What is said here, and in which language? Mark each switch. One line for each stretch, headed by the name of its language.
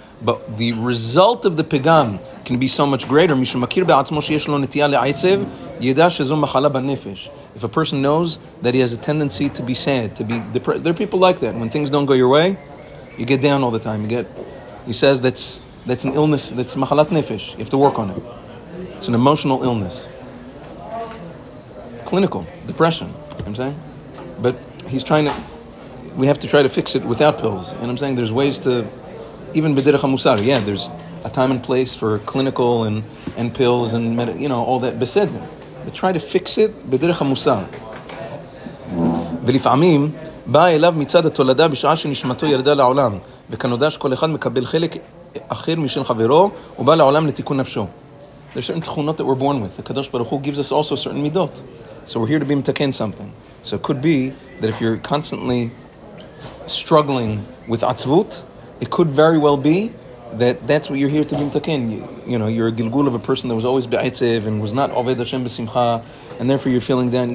English: But the result of the פגם can be so much greater.
Hebrew: מי שמכיר בעצמו שיש לו נטייה לעצב, ידע שזו מחלה בנפש.
English: If a person knows that he has a tendency to be sad, to be depressed, there are people like that. When things don't go your way, you get down all the time. He says that's an illness, that's מחלת נפש. You have to work on it. It's an emotional illness. Clinical, depression, you know what I'm saying? But he's trying to, we have to try to fix it without pills. You know what I'm saying? There's ways to, even
Hebrew: b'derech ha-musar,
English: yeah, there's a time and place for clinical and pills and, you know, all that. Beseder. But try to fix it
Hebrew: b'derech ha-musar. ולפעמים, בא אליו מצד התולדה בשעה שנשמתו ירדה לעולם, וכנודע שכל אחד מקבל חלק אחר משל חברו, ובא לעולם לתיקון נפשו.
English: There's certain tchunot that we're born with. The Kadosh Baruch Hu gives us also certain midot. So we're here to be mtaken something. So it could be that if you're constantly struggling with atzvut, it could very well be that that's what you're here to be mtaken. You know, you're a gilgul of a person that was always be'etzev and was not
Hebrew: oved Hashem b'simcha,
English: and therefore you're feeling down.